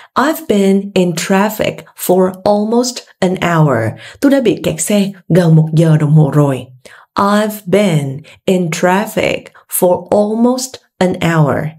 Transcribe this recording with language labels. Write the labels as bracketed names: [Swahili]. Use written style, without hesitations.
[English] I've been in traffic for almost an hour. [Vietnamese] Tôi đã bị kẹt xe gần một giờ đồng hồ rồi. [English] I've been in traffic for almost an hour.